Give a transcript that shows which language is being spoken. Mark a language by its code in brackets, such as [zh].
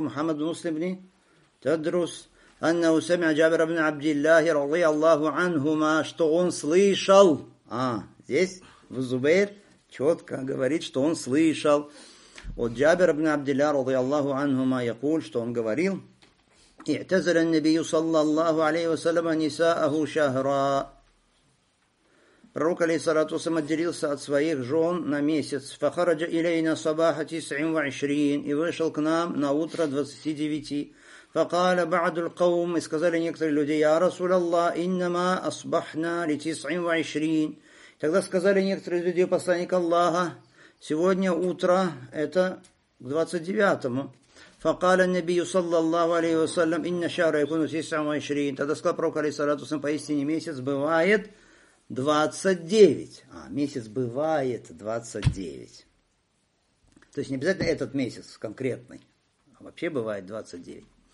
[ru] Мухаммад Муслим ибн Тадрус, Анна Усамия Джабир ибн Абдул-Лахир, Ради Аллаху Анхума, что он слышал, здесь Абу-Зубейр четко говорит, что он слышал, от Джабир ибн Абдул-Лахир, Ради Аллаху Анхума, якуль, что он говорил, [ar] اعتزل النبي صلى الله عليه وسلم نساءه شهرا. [ru] Пророк алейхиссалату вассалям отделился от своих жен на месяц. [ar] فخرج إلينا صباح 29 [ru] и вышел к нам на утро 29. [ar] فقال بعض القوم [ru] и сказали некоторые люди [ar] يا رسول الله إنما أصبحنا لتسعين وعشرين. [ru] Тогда сказали некоторые люди посланник Аллаха сегодня утро это к 29-му. [ar] فقال النبي صلى الله عليه وسلم إن شهر يكون 29 [ru] тогда сказал пророк алейхиссалату вассалям поистине месяц бывает 29 месяц бывает 29 то есть не обязательно этот месяц конкретный а вообще бывает 29